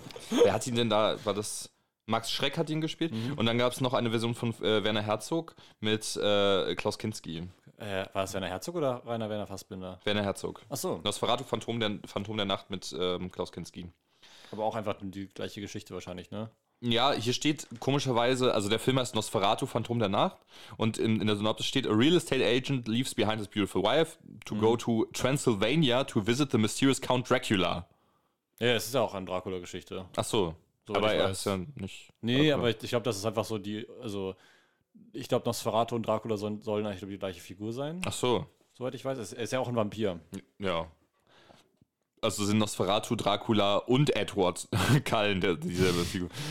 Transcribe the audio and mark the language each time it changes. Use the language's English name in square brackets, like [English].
[German] Wer hat ihn denn da, war das... Max Schreck hat ihn gespielt. Und dann gab es noch eine Version von Werner Herzog mit Klaus Kinski. War es Werner Herzog oder Rainer Werner Fassbinder? Werner Herzog. Ach so. Nosferatu, Phantom der Nacht mit Klaus Kinski. Aber auch einfach die gleiche Geschichte wahrscheinlich, ne? Ja, hier steht komischerweise, also der Film heißt Nosferatu, Phantom der Nacht. Und in der Synopsis steht, [English] a real estate agent leaves behind his beautiful wife to go to Transylvania to visit the mysterious Count Dracula. [German] Ja, es ist ja auch eine Dracula-Geschichte. Ach so. Aber er ist ja nicht. Nee, okay. Aber ich glaube, das ist einfach so die. Also, ich glaube, Nosferatu und Dracula sollen eigentlich glaub, die gleiche Figur sein. Ach so. Soweit ich weiß. Er ist ja auch ein Vampir. Ja. Also sind Nosferatu, Dracula und Edward Cullen dieselbe Figur.